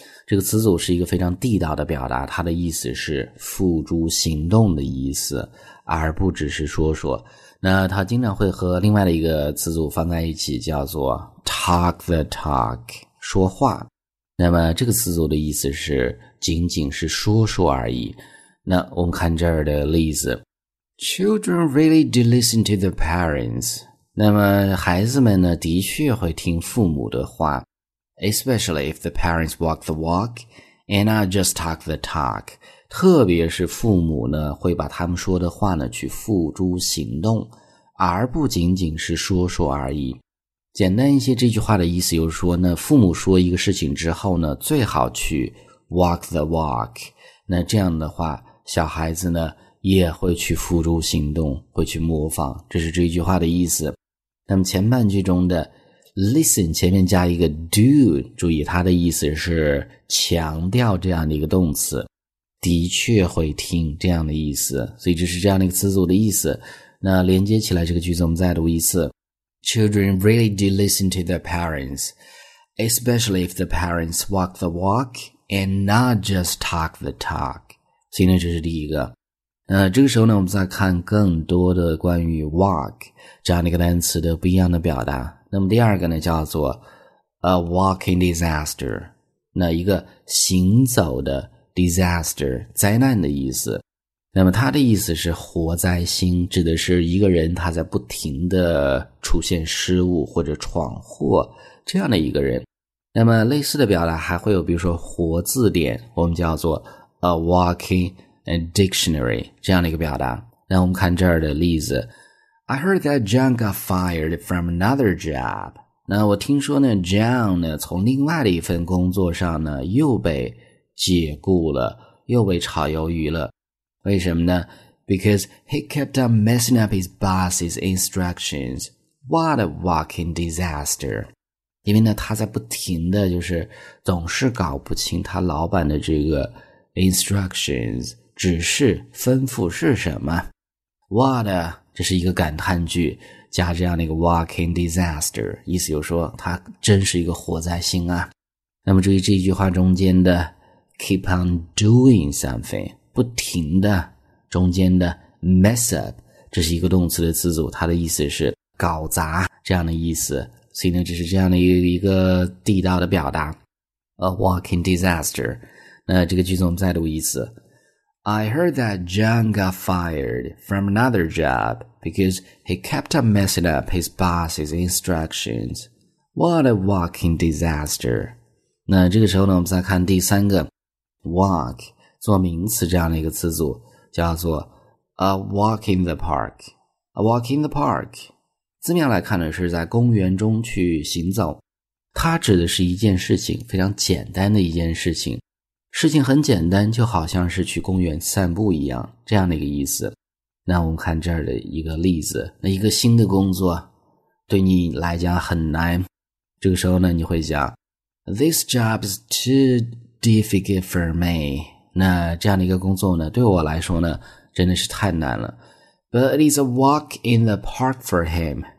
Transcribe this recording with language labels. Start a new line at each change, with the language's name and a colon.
Chinese: 这个词组是一个非常地道的表达，它的意思是付诸行动的意思，而不只是说说。那它经常会和另外的一个词组放在一起，叫做
English: talk the talk。
Chinese: 说话，那么这个词组的意思是仅仅是说说而已。那我们看这儿的例子
English: ，Children really do listen to their parents。
Chinese: 那么孩子们呢，的确会听父母的话
English: ，especially if the parents walk the walk and not just talk the talk。
Chinese: 特别是父母呢，会把他们说的话呢去付诸行动，而不仅仅是说说而已。简单一些，这句话的意思就是说呢，父母说一个事情之后呢，最好去
English: walk the walk。
Chinese: 那这样的话，小孩子呢，也会去付诸行动，会去模仿。这是这句话的意思。那么前半句中的 listen 前面加一个 do， 注意它的意思是强调这样的一个动词，的确会听这样的意思。所以这是这样的一个词组的意思。那连接起来这个句子，我们再读一次。
English: Children really do listen to their parents, especially if the parents walk the walk and not just talk the talk.
Chinese: 所以呢，这是第一个。这个时候呢，我们再看更多的关于 walk 这样的一个单词的不一样的表达。那么第二个呢，叫做
English: a walking disaster，
Chinese: 那一个行走的 disaster 灾难的意思。那么它的意思是活灾星，指的是一个人他在不停的出现失误或者闯祸这样的一个人。那么类似的表达还会有，比如说活字典，我们叫做
English: a walking dictionary
Chinese: 这样的一个表达。那我们看这儿的例子
English: ，I heard that John got fired from another job。
Chinese: 那我听说呢 ，John 呢从另外的一份工作上呢又被解雇了，又被炒鱿鱼了。为什么呢
English: ?Because he kept on messing up his boss's instructions. What a walking disaster.
Chinese: 因为呢他在不停的就是总是搞不清他老板的这个 instructions, 指示吩咐是什么。
English: What a,
Chinese: 这是一个感叹句加这样的一个
English: walking disaster,
Chinese: 意思就是说他真是一个活灾星啊。那么注意这一句话中间的
English: keep on doing something。
Chinese: 不停的中间的 mess up， 这是一个动词的词组，它的意思是搞砸这样的意思。所以呢，这是这样的一个地道的表达 ，
English: a walking disaster。
Chinese: 那这个句子我们再读一次
English: ：I heard that John got fired from another job because he kept on messing up his boss's instructions. What a walking disaster！
Chinese: 那这个时候呢，我们再看第三个 walk。做名词这样的一个词组叫做
English: a walk in the park，
Chinese: a walk in the park， 字面来看呢是在公园中去行走，它指的是一件事情，非常简单的一件事情，事情很简单，就好像是去公园散步一样，这样的一个意思。那我们看这儿的一个例子，那一个新的工作对你来讲很难，这个时候呢你会讲
English: This job is too difficult for me，
Chinese: 那这样的一个工作呢，对我来说呢，真的是太难了。
English: But it is a walk in the park for him.